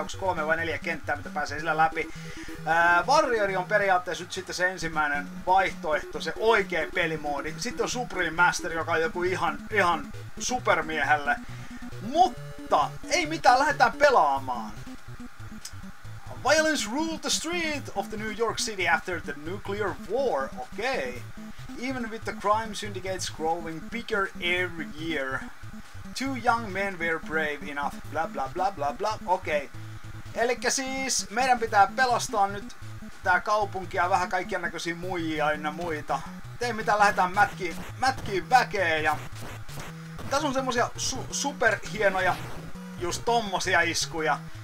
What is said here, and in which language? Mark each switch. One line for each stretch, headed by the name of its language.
Finnish: Onko kolme vai neljä kenttää, mitä pääsee sillä läpi. Varjori on periaatteessa nyt sitten se ensimmäinen vaihtoehto, se oikea pelimoodi. Sitten on Supreme Master, joka on joku ihan supermiehelle. Mutta ei mitään, lähdetään pelaamaan.
English: Violence ruled the street of the New York City after the nuclear war. Okay. Even with the crime syndicates growing bigger every year, two young men were brave enough. Blah, blah, blah, blah, blah. Okay.
Finnish: Elikkä siis meidän pitää pelastaa nyt tää kaupunki ja vähän kaikkiannäköisiä muijia ynnä muita. Tee mitä, lähdetään mätkiin väkeä ja... Tässä on semmosia superhienoja just tommosia iskuja.